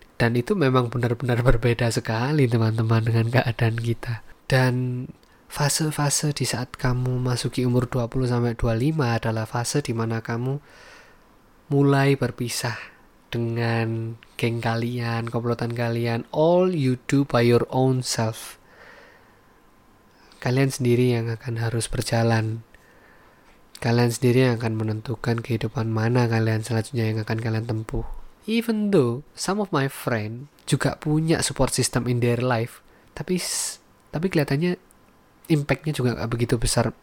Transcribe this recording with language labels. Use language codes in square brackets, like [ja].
[id] Dan itu memang benar-benar berbeda sekali, teman-teman, dengan keadaan kita. Dan fase-fase di saat kamu masuki umur 20-25 adalah fase di mana kamu mulai berpisah dengan geng kalian, komplotan kalian. [en] All you do by your own self. [id] Kalian sendiri yang akan harus berjalan. Kalian sendiri yang akan menentukan kehidupan mana kalian selanjutnya yang akan kalian tempuh. [en] Even though some of my friend [id] juga punya [en] support system in their life, [id] tapi kelihatannya impactnya juga gak begitu besar.